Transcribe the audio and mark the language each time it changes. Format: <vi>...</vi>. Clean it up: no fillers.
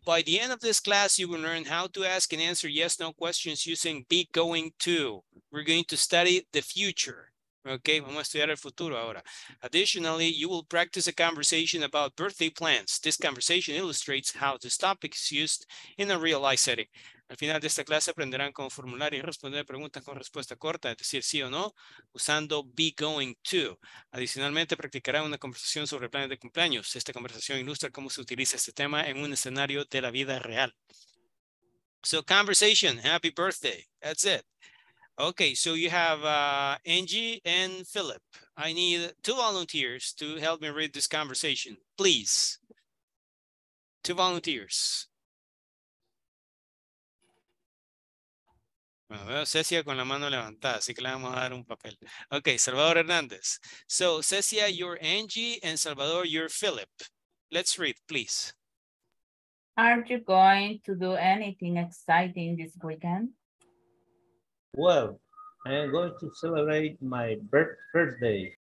<en>By the end of this class, you will learn how to ask and answer yes, no questions using be going to. We're going to study the future. Okay,</en> <es>vamos a estudiar el futuro ahora.</es> <en>Additionally, you will practice a conversation about birthday plans. This conversation illustrates how this topic is used in a real life setting.</en> <es>Al final de esta clase aprenderán cómo formular y responder preguntas con respuesta corta, es decir, sí o no, usando be going to. Adicionalmente, practicarán una conversación sobre planes de cumpleaños. Esta conversación ilustra cómo se utiliza este tema en un escenario de la vida real.</es> <en>So, conversation, happy birthday, that's it. Okay, so you have Angie and Philip. I need 2 volunteers to help me read this conversation, please. 2 volunteers.</en> <es>Bueno, veo Cecia con la mano levantada, así que le vamos a dar un papel.</es> <en>Okay, Salvador Hernandez. So, Cecia, you're Angie, and Salvador, you're Philip. Let's read, please. Are you going to do anything exciting this weekend? Well, I am going to celebrate my birthday.</en>